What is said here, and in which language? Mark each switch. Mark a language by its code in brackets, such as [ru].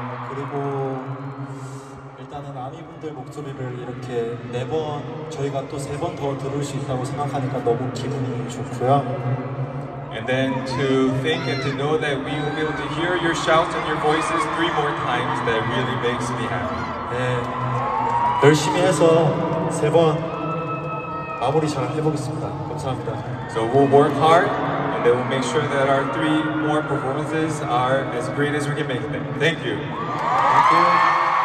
[ko] 그리고 일단은 아미분들 목소리를 이렇게 네 번, 저희가 또 세 번 더 들을 수 있다고 생각하니까 너무 기분이 좋고요. [en] And then to think and to know that we will be able to hear your shouts and your voices three more times, that really makes me happy. [ko] 네, 열심히 해서 세 번 마무리 잘 해보겠습니다. 감사합니다. [en] So we'll work hard and then we'll make sure that our three more performances are as great as we can make them. Thank you. Thank you.